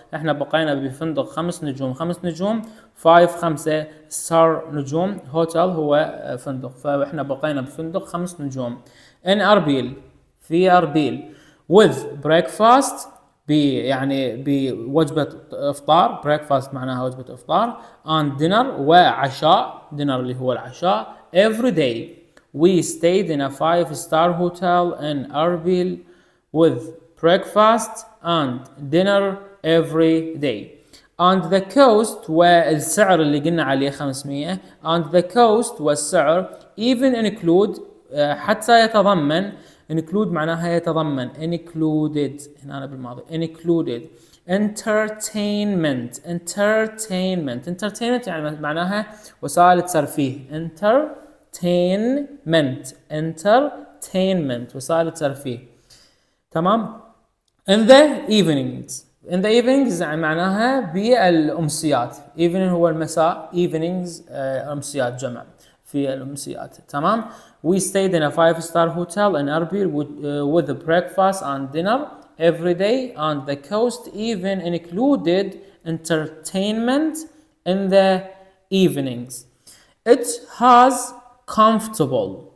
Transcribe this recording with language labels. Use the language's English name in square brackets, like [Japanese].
[Arabic] نحن بقينا بفندق 5 نجوم، 5 نجوم، 5 5-star نجوم، hotel هو فندق، فإحنا بقينا بفندق 5 نجوم. In أربيل، في أربيل. [English] With breakfast، [Arabic] يعني بوجبة إفطار، breakfast معناها وجبة إفطار. [English] And dinner، [Arabic] وعشاء، dinner اللي هو العشاء. [English] Every day we stayed in a 5-star hotel in Erbil with breakfast and dinner every day. And the cost، [Arabic] والسعر اللي قلنا عليه 500. [English] And the cost، [Arabic] والسعر، [English] even include، [Arabic] حتى يتضمن، include معناها يتضمن، included هنا أنا بالماضي، [English] included entertainment، [Arabic] entertainment، entertainment يعني معناها وسائل الترفيه، entertainment، entertainment وسائل الترفيه، تمام. [English] in the evenings، [Arabic] in the evenings يعني معناها بالأمسيات، evening هو المساء، evenings أمسيات جمع، في الأمسيات، تمام. [English] We stayed in a 5-star hotel in Erbil with breakfast and dinner every day and the cost even included entertainment in the evenings. It has comfortable،